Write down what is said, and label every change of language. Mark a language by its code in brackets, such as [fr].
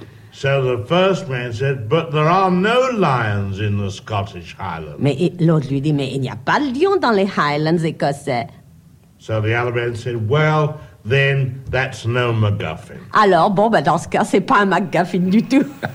[en] So the first man said, "But there are no lions in the Scottish Highlands." [fr] Mais l'autre lui dit, mais il n'y a pas de lions dans les Highlands écossais. [en] So the other man said, "Well, then that's no MacGuffin." [fr] Alors bon, ben dans ce cas, c'est pas un MacGuffin du tout.